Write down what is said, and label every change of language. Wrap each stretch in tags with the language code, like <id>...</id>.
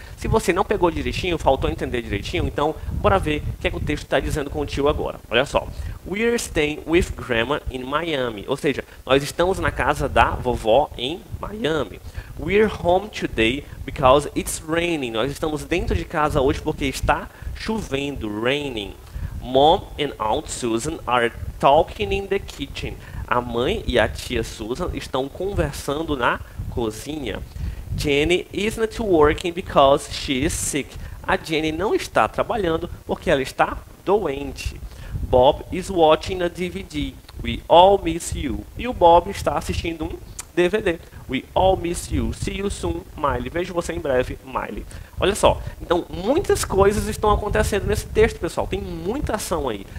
<pt>Se você não pegou direitinho, faltou entender direitinho, então bora ver o que é que o texto está dizendo com o tio agora. Olha só.</pt> <en>We are staying with Grandma in Miami.</en> <pt>Ou seja, nós estamos na casa da vovó em Miami.</pt> <en>We are home today because it's raining.</en> <pt>Nós estamos dentro de casa hoje porque está chovendo, raining.</pt> <en>Mom and Aunt Susan are talking in the kitchen.</en> <pt>A mãe e a tia Susan estão conversando na cozinha.</pt> <en>Jenny is not working because she is sick.</en> <pt>A Jenny não está trabalhando porque ela está doente.</pt> <en>Bob is watching a DVD. We all miss you.</en> <pt>E o Bob está assistindo um DVD.</pt> <en>We all miss you. See you soon,</en> <pt>Miley. Vejo você em breve, Miley. Olha só. Então, muitas coisas estão acontecendo nesse texto, pessoal. Tem muita ação aí.</pt>